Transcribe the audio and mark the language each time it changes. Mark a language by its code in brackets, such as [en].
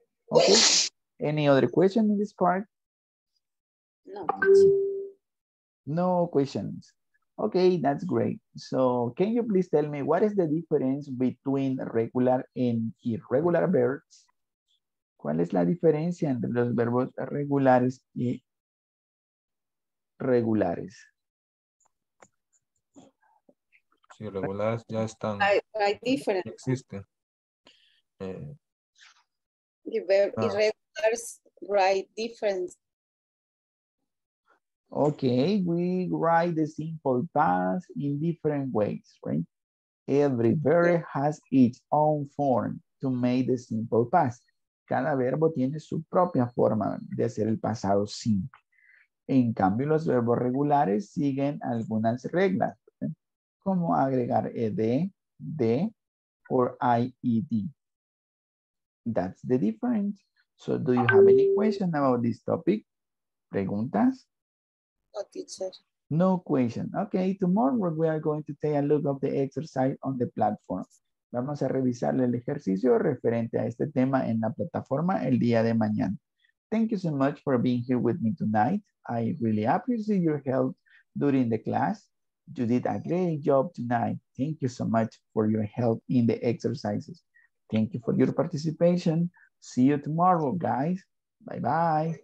[en] Okay. Any other question in this part? No. No questions. Okay, that's great. So, can you please tell me what is the difference between regular and irregular verbs? [es] ¿Cuál es la diferencia entre los verbos regulares y regulares? Sí, regulares ya están. Hay diferencia. Existen. [en] Irregulares, write difference. Okay, we write the simple past in different ways, right? Every verb has its own form to make the simple past. [es] Cada verbo tiene su propia forma de hacer el pasado simple. En cambio, los verbos regulares siguen algunas reglas, como agregar ed, de, or ied. [en] That's the difference. So, do you have any question about this topic? [es] ¿Preguntas? [en] No, teacher. No question. Okay, tomorrow we are going to take a look at the exercise on the platform. [es] Vamos a revisar el ejercicio referente a este tema en la plataforma el día de mañana. [en] Thank you so much for being here with me tonight. I really appreciate your help during the class. You did a great job tonight. Thank you so much for your help in the exercises. Thank you for your participation. See you tomorrow, guys. Bye-bye.